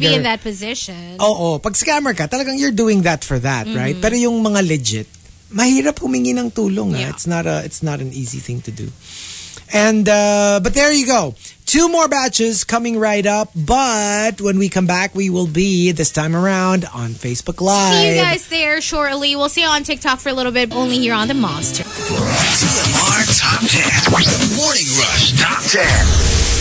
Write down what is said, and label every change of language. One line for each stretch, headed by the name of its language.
English: wants to be in that position. Oh,
Filipino: pag scammer ka, talagang
English: you're doing that for that, mm-hmm. right?
Filipino: Pero yung mga legit, mahirap humingi ng tulong.
English: Yeah. It's not an easy thing to do. And but there you go. Two more batches coming right up, but when we come back, we will be, this time around, on Facebook Live. See you guys there shortly. We'll see you on TikTok for a little bit, only here on The Monster. TMR Top 10. Morning Rush Top 10.